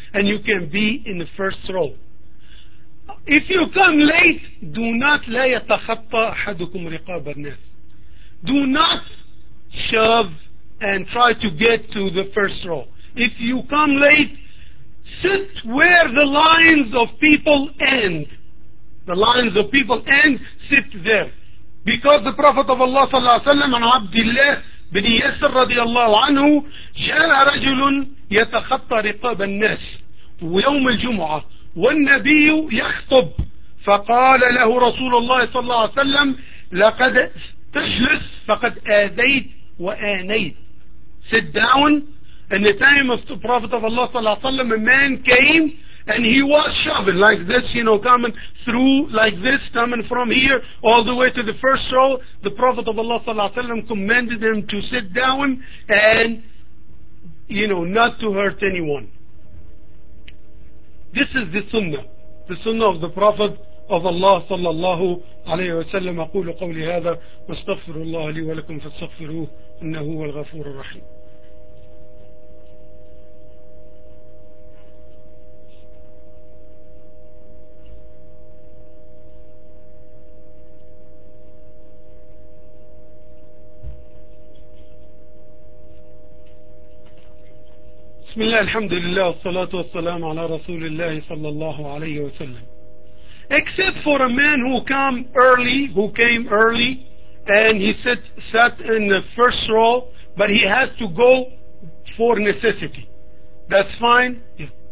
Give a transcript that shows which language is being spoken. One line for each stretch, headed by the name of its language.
English: And you can be in the first row. If you come late, do not
Arabic: لا يتخطى أحدكم رقاب الناس.
English: Do not shove and try to get to the first row. If you come late, sit where the lines of people end. The lines of people end, sit there. Because the Prophet of Allah
Arabic: صلى الله عليه وسلم and Abdullah bin Yasir رضي الله عنه جاء رجل يتخطى رقاب الناس ويوم الجمعة والنبي يخطب فقال له رسول الله صلى الله عليه وسلم لقد تجلس فقد آذيت وآنيت.
English: Sit down. In the time of the Prophet of Allah صلى الله عليه وسلم, a man came and he was shoving like this, you know, coming through like this, coming from here all the way to the first row. The Prophet of Allah صلى الله عليه وسلم commanded him to sit down and, you know, not to hurt anyone. This is the sunnah of the Prophet of Allah صلى الله عليه وسلم.
Arabic: أقول قولي هذا واستغفر الله لي ولكم فاستغفروه إنه هو الغفور الرحيم. بسم الله الحمد لله والصلاة والسلام على رسول الله صلى الله عليه وسلم.
English: Except for a man who came early and he sat in the first row, but he has to go for necessity. That's fine. Yeah.